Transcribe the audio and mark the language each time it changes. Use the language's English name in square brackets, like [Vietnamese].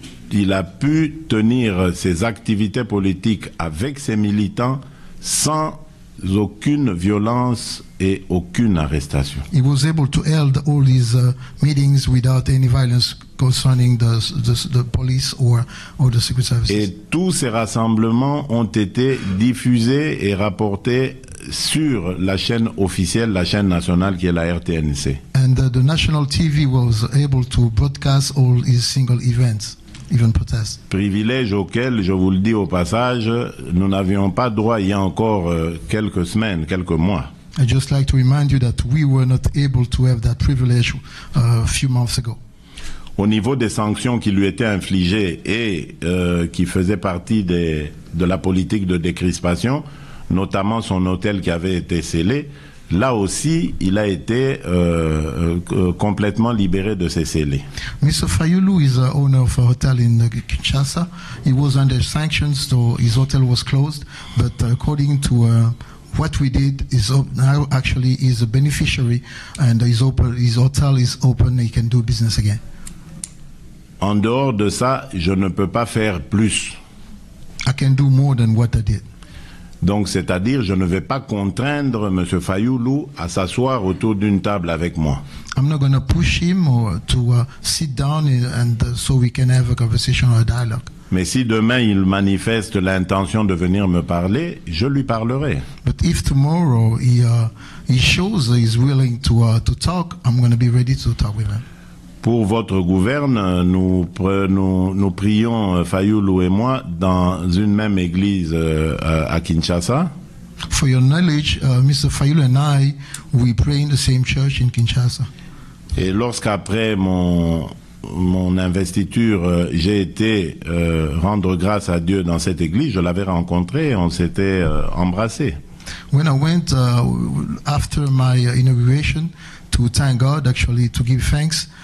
[French] Il a pu tenir ses activités politiques avec ses militants sans aucune violence et aucune arrestation. [English] He was able to hold all his meetings without any violence concerning the police or the secret services. [French] Et tous ces rassemblements ont été diffusés et rapportés sur la chaîne officielle, la chaîne nationale qui est la RTNC. [English] And the national TV was able to broadcast all his single events. Even protest. [French] Privilège auquel, je vous le dis au passage, nous n'avions pas droit il y a encore quelques semaines, quelques mois. [English] I just like to remind you that we were not able to have that privilege a few months ago. [French] Au niveau des sanctions qui lui étaient infligées et qui faisaient partie de la politique de décrispation, notamment son hôtel qui avait été scellé, là aussi, il a été complètement libéré de ses scellés. [English] Mr. Fayulu is the owner of a hotel in Kinshasa. He was under sanctions, so his hotel was closed. But according to what we did, now actually is a beneficiary, and his hotel is open. He can do business again. [French] En dehors de ça, je ne peux pas faire plus. [English] I can do more than what I did. [French] Donc, c'est-à-dire, je ne vais pas contraindre M. Fayulu à s'asseoir autour d'une table avec moi. [English] I'm not going to push him or to sit down and so we can have a conversation or a dialogue. [French] Mais si demain il manifeste l'intention de venir me parler, je lui parlerai. [English] But if tomorrow he shows he's willing to talk, I'm going to be ready to talk with him. [French] Pour votre gouverne, nous prions Fayulu et moi dans une même église à Kinshasa. [English] For your knowledge, Mr. Fayulu and I, we pray in the same church in Kinshasa. [French] Et lorsqu'après mon investiture, j'ai été rendre grâce à Dieu dans cette église, je l'avais rencontré, on s'était embrassé. [English] When I went after my inauguration to thank God, actually to give thanks.